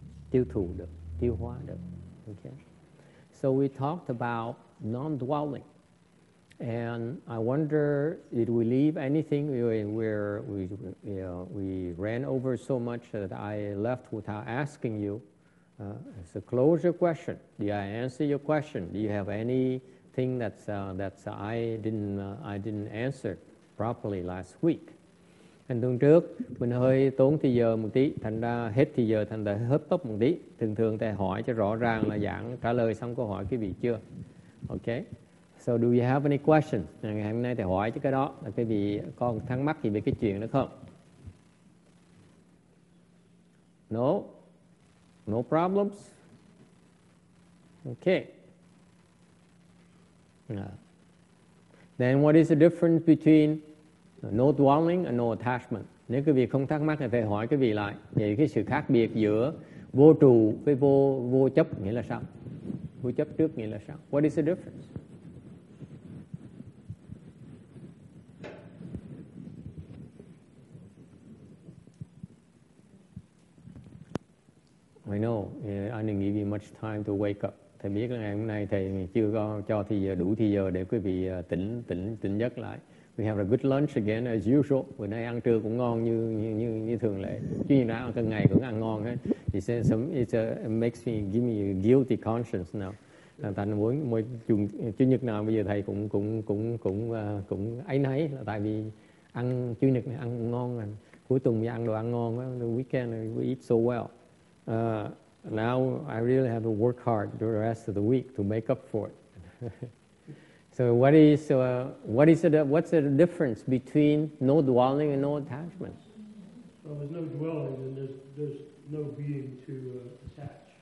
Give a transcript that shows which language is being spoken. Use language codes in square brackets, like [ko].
[vi] tiêu thụ được, tiêu hóa được. [en] Okay. So we talked about non-dwelling. And I wonder, did we leave anything where we, you know, we ran over so much that I left without asking you? It's a closure question. Did I answer your question? Do you have anything that's I didn't answer properly last week? [vi] Thành tuần trước mình hơi tốn thời giờ một tí, thành ra hết thời giờ thành ra hết tốc một tí. Thường thường thầy hỏi cho rõ ràng là giảng trả lời xong câu hỏi quý vị chưa? Okay. [en] So do you have any questions? [vi] Ngày hôm nay thầy hỏi cho cái đó là quý vị có thắc mắc gì về cái chuyện đó không? [en] No. No problems. Okay. Then what is the difference between no dwelling and no attachment? [vi] Nếu quý vị không thắc mắc thì phải hỏi quý vị lại về cái sự khác biệt giữa vô trụ với vô chấp nghĩa là sao? Vô chấp trước nghĩa là sao? [en] What is the difference? I know, I didn't give you much time to wake up. [vi] Thầy biết là ngày hôm nay thầy chưa có cho thì giờ đủ thì giờ để quý vị tỉnh giấc lại. [en] We have a good lunch again as usual. [vi] Bữa nay ăn trưa cũng ngon như thường lệ. Chứ như nào, cả ngày cũng ăn ngon hết. [en] It makes me a guilty conscience now. [vi] Là thành mỗi chủ nhật nào bây giờ thầy cũng ấy nấy là tại vì ăn chủ nhật này ăn ngon, cuối tuần thì ăn đồ ăn ngon. [en] The weekend we eat so well. Now I really have to work hard the rest of the week to make up for it. So what's the difference between no dwelling and no attachment? Well, there's no dwelling and there's no being to attach.